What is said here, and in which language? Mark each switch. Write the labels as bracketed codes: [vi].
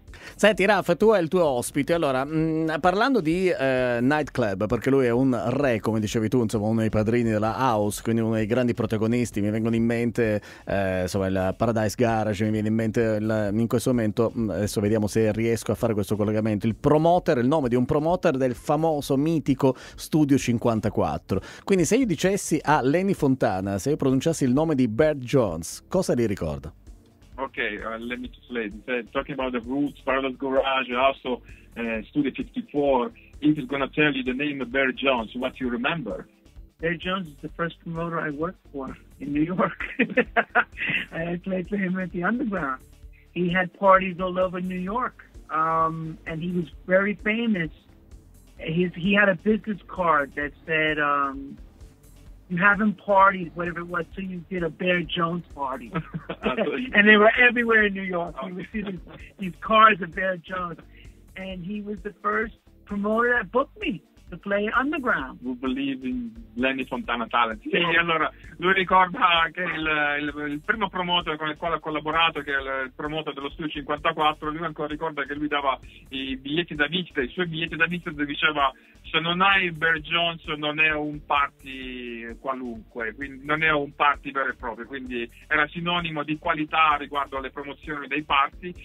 [it] Senti Raf, tu hai il tuo ospite, allora parlando di nightclub, perché lui è un re, come dicevi tu, insomma, uno dei padrini della house, quindi uno dei grandi protagonisti, mi vengono in mente insomma il Paradise Garage, mi viene in mente in questo momento, adesso vediamo se riesco a fare questo collegamento, il promoter, il nome di un promoter del famoso mitico Studio 54. Quindi se io dicessi a Lenny Fontana, se io pronunciassi il nome di Bert Jones, cosa gli ricorda? [en] Ok, let me just say, talking about the roots, Paradise Garage, also Studio 54, if it's gonna tell you the name of Bert Jones, what do you remember? Bert Jones is the first promoter I worked for in New York. I played for him at the Underground. He had parties all over New York, and he was very famous. He had a business card that said, you have him parties, whatever it was, so you did a Bert Jones party. And they were everywhere in New York. You would see these cards of Bert Jones. And he was the first promoter that booked me. to play underground. We believe in Lenny Fontana Talent. Sì, yeah. [it] Allora, lui ricorda che il primo promotor con il quale ha collaborato, che è il promotor dello Studio 54, lui ancora ricorda che lui dava i biglietti da vincita, i suoi biglietti da vincita, dove diceva: se non hai Bear Jones non è un party qualunque, quindi non è un party vero e proprio, quindi era sinonimo di qualità riguardo alle promozioni dei party.